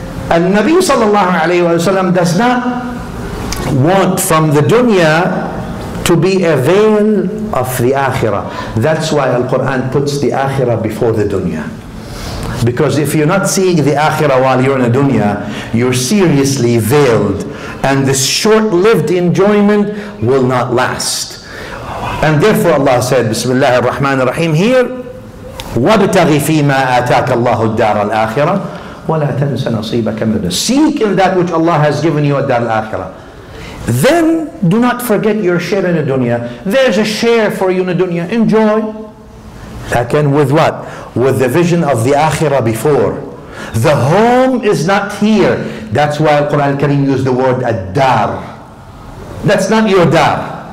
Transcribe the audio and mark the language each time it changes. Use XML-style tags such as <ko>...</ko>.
<en>Al-Nabi sallallahu alayhi wa sallam does not want from the dunya to be a veil of the akhirah. That's why Al-Quran puts the akhirah before the dunya. Because if you're not seeing the akhirah while you're in the dunya, you're seriously veiled. And this short-lived enjoyment will not last. And therefore Allah said, Bismillah ar-Rahman ar-Rahim here,</en> <ar>وَابْتَغِ فِي مَا آتَاكَ اللَّهُ الدَّارَ الْآخِرَةِ وَلَا تَنْسَ نَصِيبَكَ مِنَ الدُّنْيَا.</ar> <en>Seek in that which Allah has given you at Dar al-Akhirah. Then do not forget your share in the dunya. There's a share for you in the dunya. Enjoy. Again, with what? With the vision of the Akhirah before. The home is not here. That's why Quran al-Kareem used the word ad-dar. That's not your dar.</en>